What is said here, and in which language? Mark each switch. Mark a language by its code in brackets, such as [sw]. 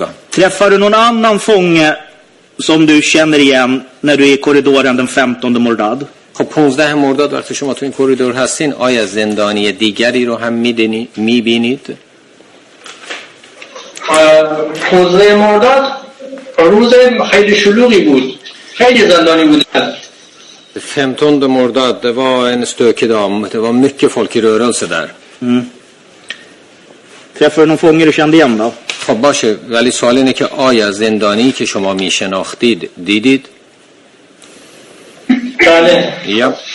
[sv] Träffar du någon annan fånge som du känner igen när du är i korridoren den 15 Mordad? [fa] خب 15 مرداد وقتی شما تو این کوریدور هستین آیا زندانی دیگری رو هم میبینید؟ 15 مرداد روز خیلی شلوغی بود خیلی زندانی بودند [sv] 15 مرداد det var en stökig dag det var mycket folk i rörelse där träffade någon fånge du kände igen då? [fa] خب باشه ولی سوال اینه که آیا زندانی که شما میشناختید دیدید؟ [sv] Ja.